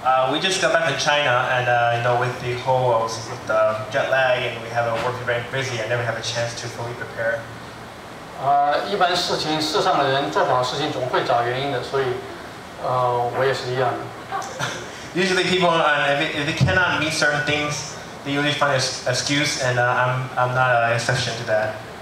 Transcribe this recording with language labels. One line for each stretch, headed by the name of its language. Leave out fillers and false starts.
English: We just got back in China, and you know, with the whole with the jet lag, and we have a working very busy, I never have a chance to fully prepare.
Chinese: 一般事情世上的人做不好事情总会找原因的，所以我也是一样的。
English: Usually, people if they cannot meet certain things, they usually find an excuse, and I'm not an exception to that.